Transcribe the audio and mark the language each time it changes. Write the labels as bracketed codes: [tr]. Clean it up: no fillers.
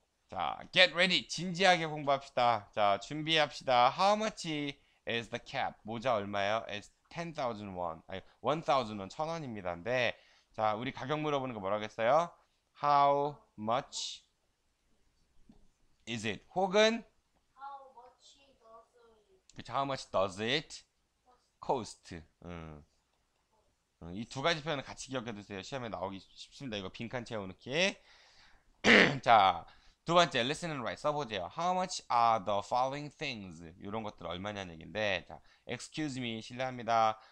[ko] 자, [en] get ready. [ko] 진지하게 공부합시다. 자, 준비합시다. [en] How much is the cap? [ko] 모자 얼마예요? [en] It's 10,000 won. [ko] 아니, 1,000 won 1,000원입니다인데. 자, 우리 가격 물어보는 거 뭐라고 했어요? [en] How much? Is it? 혹은 How much does it cost? [ko] 이두 가지 표현을 같이 기억해 두세요. 시험에 나오기 쉽습니다. 이거 빈칸 채워놓기. 자, 두 번째 [en] listen and write [ko] 써보세요. [en] How much are the following things? [ko] 이런 것들 얼마냐는 얘긴데, 자, [en] excuse me, [ko] 실례합니다.